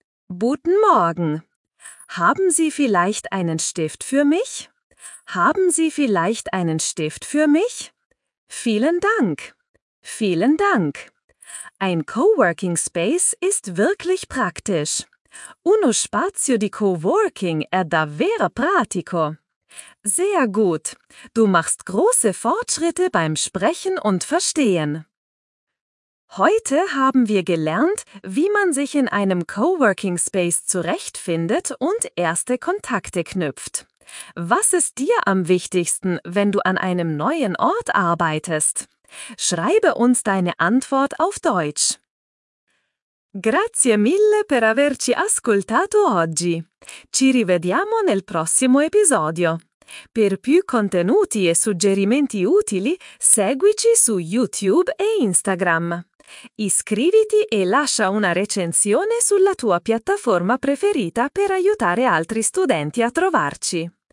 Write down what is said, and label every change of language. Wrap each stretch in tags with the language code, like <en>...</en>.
<de>Guten Morgen. Haben Sie vielleicht einen Stift für mich? Haben Sie vielleicht einen Stift für mich? Vielen Dank. Vielen Dank. Ein Coworking Space ist wirklich praktisch.</de> <it>Uno spazio di coworking è davvero pratico.</it> <de>Sehr gut. Du machst große Fortschritte beim Sprechen und Verstehen. Heute haben wir gelernt, wie man sich in einem Coworking Space zurechtfindet und erste Kontakte knüpft. Was ist dir am wichtigsten, wenn du an einem neuen Ort arbeitest? Schreibe uns deine Antwort auf Deutsch.</de> <it>Grazie mille per averci ascoltato oggi. Ci rivediamo nel prossimo episodio. Per più contenuti e suggerimenti utili, seguici su YouTube e Instagram. Iscriviti e lascia una recensione sulla tua piattaforma preferita per aiutare altri studenti a trovarci.</it>